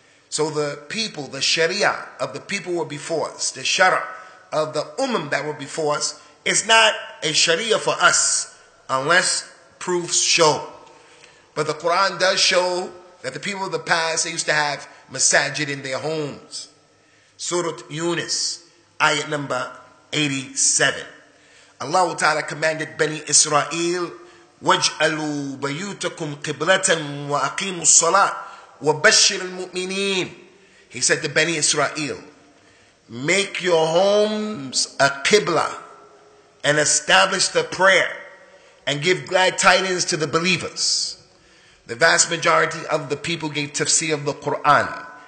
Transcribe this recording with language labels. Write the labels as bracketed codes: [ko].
[en] So the people, the sharia of the people who were before us, the shara of the umam that were before us, is not a sharia for us unless proofs show. But the Quran does show that the people of the past, they used to have masajid in their homes. Surah Yunus, ayat number 87. Allah Ta'ala commanded Bani Israel, [ar] وَاجْعَلُوا بَيُوتَكُمْ قِبْلَةً وَأَقِيمُوا الصَّلَاةِ وَبَشِّرِ الْمُؤْمِنِينَ. [en] He said to Bani Israel, make your homes a Qibla and establish the prayer and give glad tidings to the believers. The vast majority of the people gave tafsir of the Quran.